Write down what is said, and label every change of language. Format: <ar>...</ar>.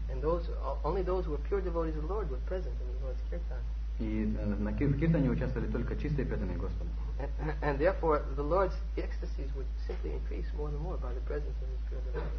<en>And those only those who were pure devotees of the Lord were present in the Lord's kirtan.</en> <ru>И в киртане участвовали только чистые преданные Господа.</ru> <en>And therefore the Lord's ecstasies would simply increase more and more by the presence of his pure devotees.</en>